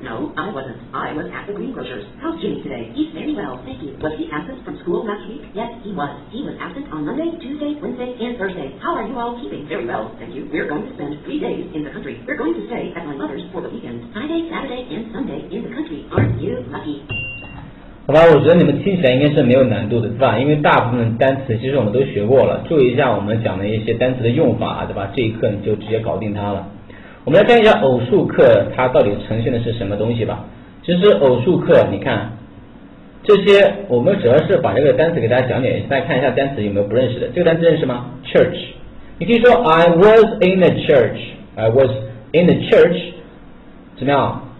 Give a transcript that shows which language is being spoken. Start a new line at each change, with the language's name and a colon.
English: No, I wasn't. I was at the greengrocer's. How's Jimmy today? He's very well, thank you. Was he absent from school last week? Yes, he was. He was absent on Monday, Tuesday, Wednesday, and Thursday. How are you all keeping? Very well, thank you. We're going to spend 3 days in the country. We're going to stay at my mother's for the weekend. Friday, Saturday, and Sunday in the country. Aren't you lucky?
Chinese: 好吧，我觉得你们听起来应该是没有难度的，对吧？因为大部分单词其实我们都学过了，注意一下我们讲的一些单词的用法，对吧？这一课你就直接搞定它了。我们来看一下偶数课它到底呈现的是什么东西吧。其实偶数课你看这些，我们主要是把这个单词给大家讲解一下，大家看一下单词有没有不认识的。这个单词认识吗？
English: Church，
Chinese: 你可以说
English: I was in the church， I was in the church 怎么样？